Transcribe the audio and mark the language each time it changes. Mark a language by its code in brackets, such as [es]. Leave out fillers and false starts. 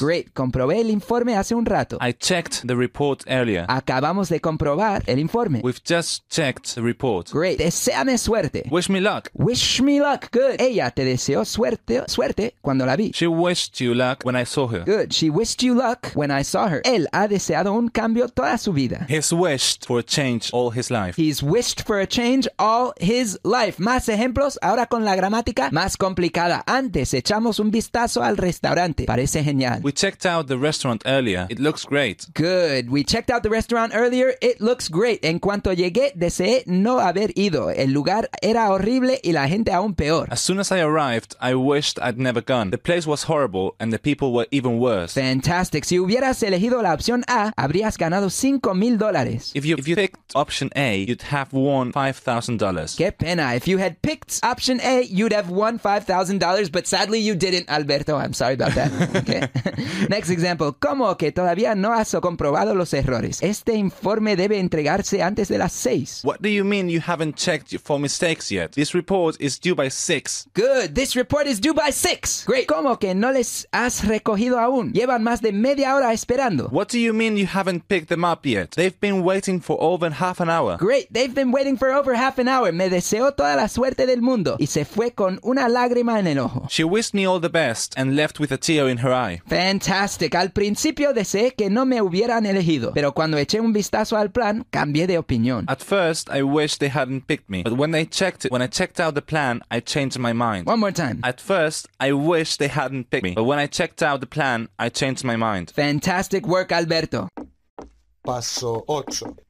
[en] Great. [es] Comprobé el informe hace un rato. [en] I checked the report earlier. [es] Acabamos de comprobar el informe. [en] We've just checked the report. Great. [es] Deséame suerte. [en] Wish me luck. Wish me luck. Good. [es] Ella te deseó suerte cuando la vi. [en] She wished you luck when I saw her. Good. She wished you luck when I saw her. [es] Él ha deseado un cambio toda su vida. [en] He's wished for a change all his life. He's wished for a change all his life. [es] Más ejemplos ahora con la gramática más complicada. Antes echamos un vistazo al restaurante. Parece genial. [en] We checked out the restaurant earlier. It looks great. Good. We checked out the restaurant earlier. It looks great. [es] En cuanto llegué, deseé no haber ido. El lugar era horrible y la gente aún peor. [en] As soon as I arrived, I wished I'd never gone. The place was horrible and the people were even worse. Fantastic. [es] Si hubieras elegido la opción A, habrías ganado $5,000. [en] If you picked option A, you'd have won $5,000. [es] Qué pena. [en] If you had picked option A, you'd have won $5,000, but sadly you didn't, Alberto. I'm sorry about that. Okay. Next example. [es] ¿Cómo que todavía no has comprobado los errores? Este informe debe entregarse antes de las 6. [en] What do you mean you haven't checked for mistakes yet? This report is due by 6. Good. This report is due by 6. Great. [es] ¿Cómo que no les has recogido aún? Llevan más de media hora esperando. [en] What do you mean you haven't picked them up yet? They've been waiting for over half an hour. Great. They've been waiting for over half an hour. [es] Me deseó toda la suerte del mundo. Y se fue con una lágrima en el ojo. [en] She wished me all the best and left with a tear in her eye. Fantastic. Al principio deseé que no me hubieran elegido. Pero cuando eché un vistazo al plan, cambié de opinión. At first, I wished they hadn't picked me. But when I checked out the plan, I changed my mind. One more time. At first, I wish they hadn't picked me, but when I checked out the plan, I changed my mind. Fantastic work, Alberto. Paso 8.